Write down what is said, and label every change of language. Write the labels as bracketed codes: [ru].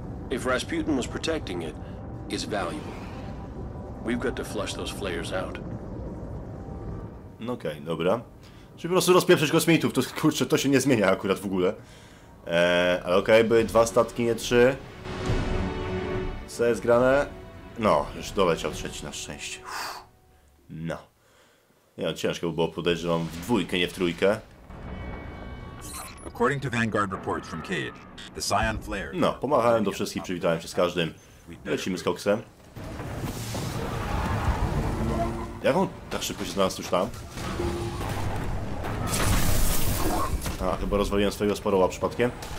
[en] If Rasputin was protecting it, it's valuable. We've got to flush those flares out. [pl] Okej, dobra. Czyli po prostu rozpieprzyć kosmitów, to kurczę, to się nie zmienia akurat w ogóle. Ale okej, by dwa statki, nie trzy. Co jest grane? No, już doleciał trzeci na szczęście. No. Nie, ciężko by było podejrzewam w dwójkę, nie w trójkę. [en] According to Vanguard reports from Cage, the Scion Flare. [pl] No, pomachałem do wszystkich, przywitałem się z każdym. Lecimy z koksem. Jak on tak szybko się znalazł już tam? A, chyba rozwaliłem swojego sporoła przypadkiem.